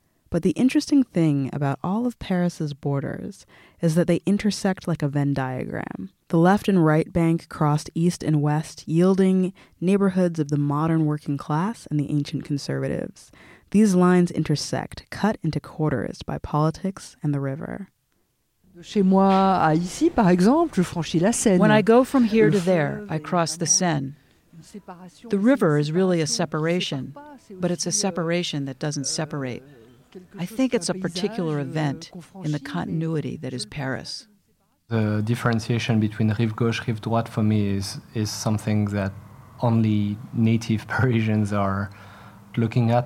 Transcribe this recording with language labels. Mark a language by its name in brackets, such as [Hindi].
[English] But the interesting thing about all of Paris's borders is that they intersect like a Venn diagram. The left and right bank crossed east and west, yielding neighborhoods of the modern working class and the ancient conservatives. These lines intersect, cut into quarters by politics and the river. [French] Chez moi à ici, par exemple, je franchis la Seine. [English] When I go from here to there, I cross the Seine. The river is really a separation, but it's a separation that doesn't separate. I think it's a particular event in the continuity that is Paris. The differentiation between rive gauche, rive droite for me is something that only native Parisians are looking at.